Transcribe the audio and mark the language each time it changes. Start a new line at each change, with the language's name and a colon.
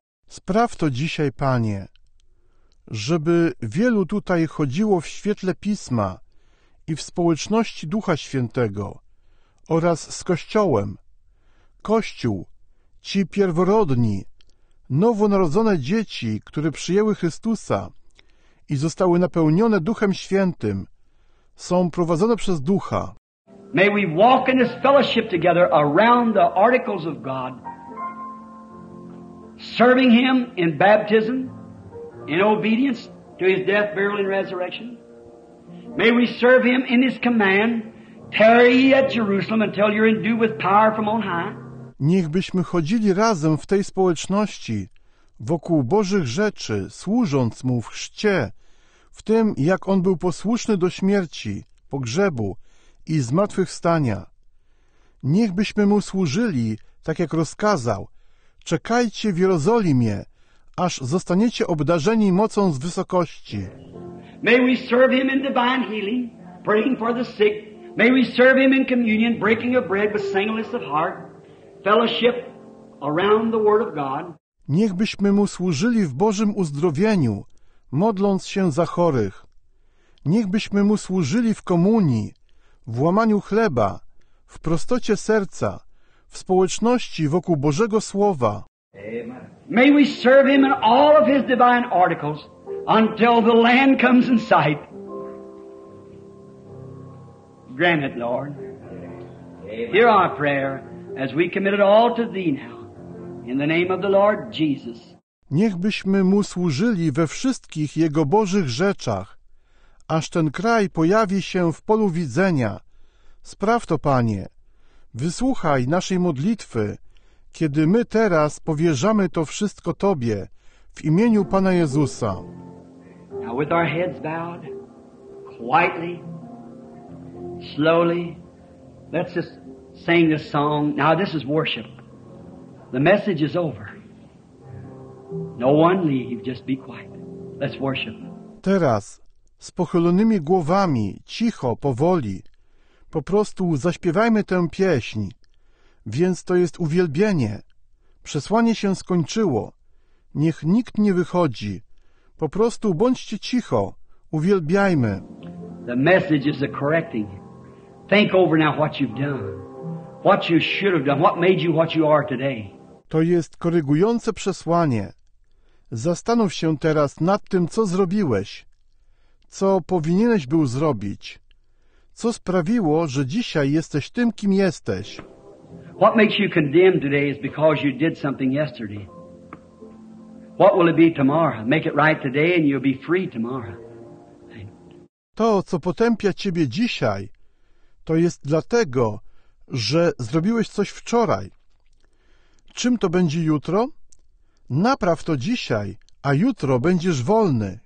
Polish: Spraw to dzisiaj, Panie, żeby wielu tutaj chodziło w świetle Pisma i w społeczności Ducha Świętego oraz z Kościołem. Kościół, ci pierworodni, nowonarodzone dzieci, które przyjęły Chrystusa i zostały napełnione Duchem Świętym, są prowadzone przez Ducha.
English: May we walk in this fellowship together around the articles of God, serving Him in baptism, in obedience to His death, burial, and resurrection. May we serve Him in His command, tarry ye at Jerusalem until you're endued with power from on high.
Polish: Niech byśmy chodzili razem w tej społeczności, wokół Bożych rzeczy, służąc Mu w chrzcie, w tym, jak On był posłuszny do śmierci, pogrzebu i zmartwychwstania. Niech byśmy Mu służyli, tak jak rozkazał, czekajcie w Jerozolimie, aż zostaniecie obdarzeni mocą z wysokości.
English: May we serve Him in divine healing, praying for the sick. May we serve Him in communion, breaking of bread with singleness of heart. Fellowship around the Word of God.
Polish: Niech byśmy Mu służyli w Bożym uzdrowieniu, modląc się za chorych. Niech byśmy Mu służyli w komunii, w łamaniu chleba, w prostocie serca, w społeczności wokół Bożego Słowa. Amen.
English: May we serve Him in all of His divine articles until the land comes in sight. Grant it, Lord. Amen. Hear our prayer. As we commit it all to Thee now, in the name of the Lord Jesus.
Polish: Niech byśmy Mu służyli we wszystkich Jego Bożych rzeczach, aż ten kraj pojawi się w polu widzenia. Spraw to, Panie. Wysłuchaj naszej modlitwy, kiedy my teraz powierzamy to wszystko Tobie, w imieniu Pana Jezusa.
English: Now with our heads bowed, quietly, slowly, let's just sing this song. Now this is worship. The message is over. No one leave, just be quiet. Let's worship.
Polish: Teraz, z pochylonymi głowami, cicho, powoli, po prostu zaśpiewajmy tę pieśń. Więc to jest uwielbienie. Przesłanie się skończyło. Niech nikt nie wychodzi. Po prostu bądźcie cicho. Uwielbiajmy.
English: The message is a correcting. Think over now what you've done. What you should have done, what made you what you are today.
Polish: To jest korygujące przesłanie. Zastanów się teraz nad tym, co zrobiłeś, co powinieneś był zrobić, co sprawiło, że dzisiaj jesteś tym, kim jesteś.
English: What makes you condemned today is because you did something yesterday. What will it be tomorrow? Make it right today and you'll be free tomorrow.
Polish: To, co potępia ciebie dzisiaj, to jest dlatego, że zrobiłeś coś wczoraj. Czym to będzie jutro? Napraw to dzisiaj, a jutro będziesz wolny.